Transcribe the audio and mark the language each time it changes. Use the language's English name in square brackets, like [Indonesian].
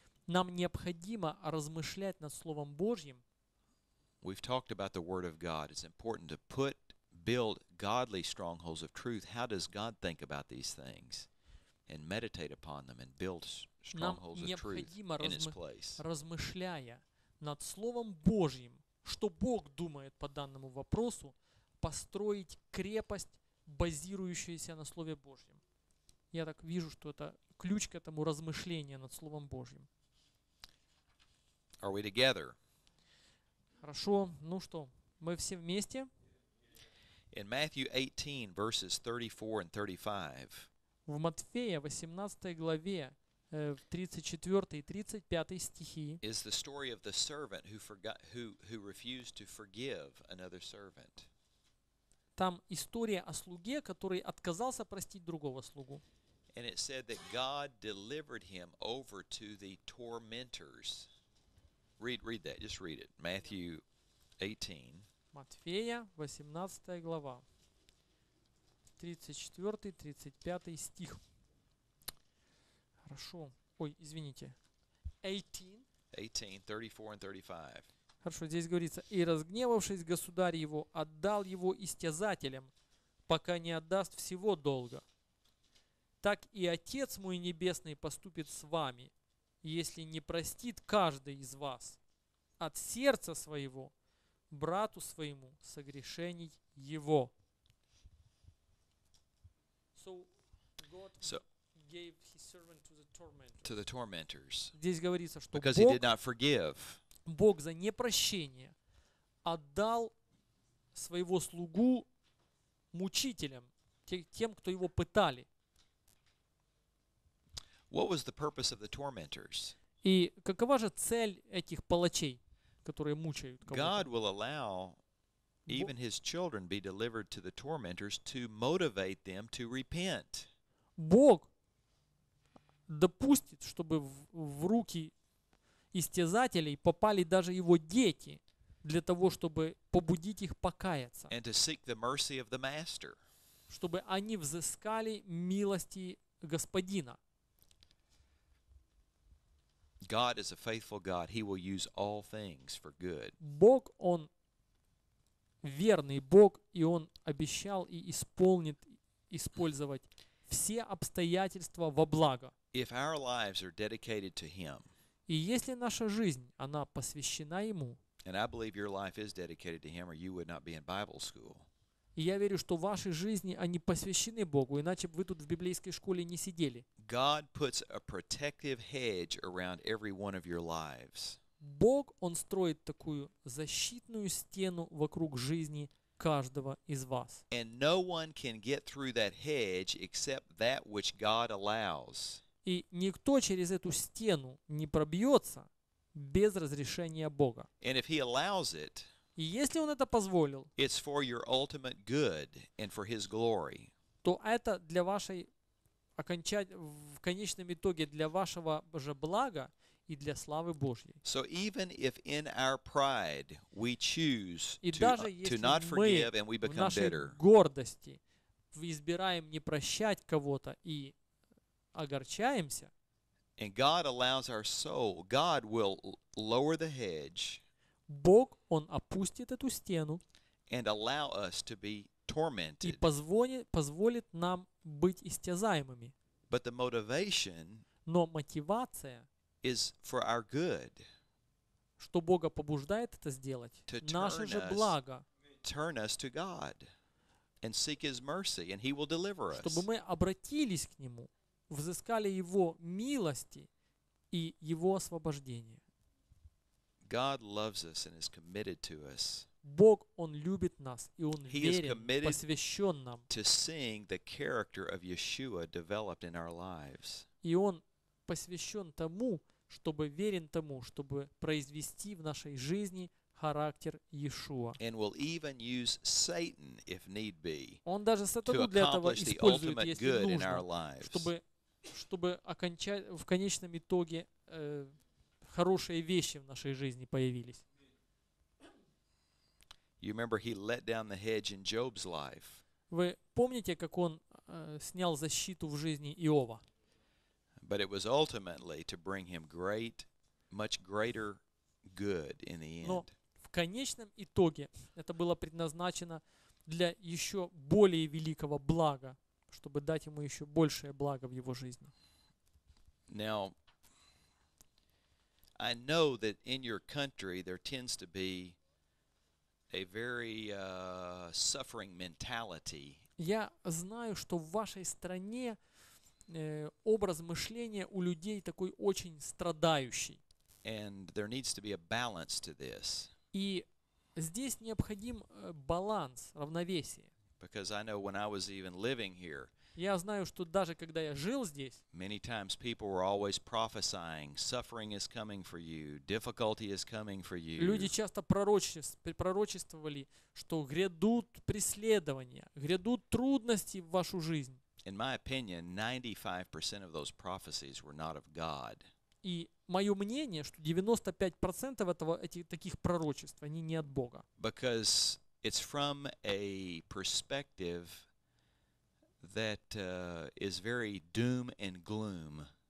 [Russian] Нам необходимо размышлять над Словом Божьим. [English] We've talked about the Word of God. It's important to build godly strongholds of truth. How does God think about these things? And meditate upon them and build strongholds of truth in its place. [Russian] Размышляя над Словом Божьим, что Бог думает по данному вопросу, построить крепость, базирующуюся на Слове Божьем. Я так вижу, что это ключ к этому размышлению над Словом Божьим. [English] Are we together? [Russian] Хорошо. Ну что, мы все вместе? [English] In Matthew 18, verses 34 and 35. [Russian] В Матфея 18 главе, 34 и 35 стихи. [English] Is the story of the servant who refused to forgive another servant. [Russian] Там история о слуге, который отказался простить другого слугу. [English] And it said that God delivered him over to the tormentors. Read that. Just read it. Matthew 18. [Russian] Матфея, 18 глава, 34-35 стих. Хорошо. Ой, извините. [English] 18, 34 and 35. [Russian] Хорошо, здесь говорится: «И разгневавшись, государь его отдал его истязателям, пока не отдаст всего долга. Так и Отец мой Небесный поступит с вами, если не простит каждый из вас от сердца своего брату своему согрешений его». [English] So God gave his servant to the tormentors. To the tormentors. [Russian] Здесь говорится, что [English] because [Russian] Бог, [English] he did not forgive. [Russian] Бог за непрощение отдал своего слугу мучителям, тем, кто его пытали. [English] What was the purpose of the tormentors? [Russian] И какова же цель этих палачей, которые мучают кого-то? [English] God will allow even his children be delivered to the tormentors to motivate them to repent. [Russian] Бог допустит, чтобы в руки истязателей попали даже его дети, для того, чтобы побудить их покаяться. [English] And to seek the mercy of the master. [Russian] Чтобы они взыскали милости господина. [English] God is a faithful God. He will use all things for good. [Russian] Бог, Он верный Бог, и Он обещал и исполнит использовать все обстоятельства во благо. [English] If our lives are dedicated to Him, [Russian] и если наша жизнь, она посвящена Ему, [English] and I believe your life is dedicated to Him, or you would not be in Bible school. [Russian] И я верю, что ваши жизни, они посвящены Богу, иначе бы вы тут в библейской школе не сидели. [English] God puts a protective hedge around every one of your lives. [Russian] Бог, Он строит такую защитную стену вокруг жизни каждого из вас. [English] And no one can get through that hedge except that which God allows. [Russian] И никто через эту стену не пробьется без разрешения Бога. [English] And if He allows it, [Russian] и если Он это позволил, [English] it's for your ultimate good and for His glory. [Russian] То это для вашей в конечном итоге для вашего же блага и для славы Божьей. [English] So even if in our pride we choose to not forgive and we become [Russian] если мы в нашей гордости избираем не прощать кого-то и огорчаемся. [English] And God allows our soul. God will lower the hedge. [Russian] Бог, Он опустит эту стену. [English] And allow us to be tormented. [Russian] И позволит нам быть истязаемыми. [English] But the motivation. [Russian] Но мотивация. [English] Is for our good. [Russian] Что Бога побуждает это сделать? Наше же благо. [English] Turn us to God and seek His mercy, and He will deliver us. [Russian] Чтобы мы обратились к Нему, взыскали Его милости и Его освобождение. [English] God loves us and is committed to us. [Russian] Бог, Он любит нас и Он верен, посвящен нам. [English] To seeing the character of Yeshua developed in our lives. [Russian] И Он посвящен тому, чтобы верен тому, чтобы произвести в нашей жизни характер Иешуа. [English] And will even use Satan, if need be, [Russian] он даже сатану для этого использует, если нужно, чтобы окончать, в конечном итоге хорошие вещи в нашей жизни появились. [English] You remember he let down the hedge in Job's life. [Russian] Вы помните, как он снял защиту в жизни Иова? [English] But it was ultimately to bring him great, much greater good in the end. [Russian] Но в конечном итоге это было предназначено для еще более великого блага, чтобы дать ему еще большее благо в его жизни. [English] Now, I know that in your country there tends to be a very suffering mentality. [Russian] Я знаю, что в вашей стране образ мышления у людей такой очень страдающий. [English] And there needs to be a balance to this. [Russian] И здесь необходим баланс, равновесие. [English] Because I know when I was even living here, [Russian] я знаю, что даже когда я жил здесь, [English] many times people were always prophesying, suffering is coming for you, difficulty is coming for you. [Russian] Люди часто пророчествовали, что грядут преследования, грядут трудности в вашу жизнь. [English] In my opinion, 95% of those prophecies were not of God. [Russian] И мое мнение, что 95% таких пророчеств, они не от Бога. [English] Because it's from a perspective that is very doom and gloom.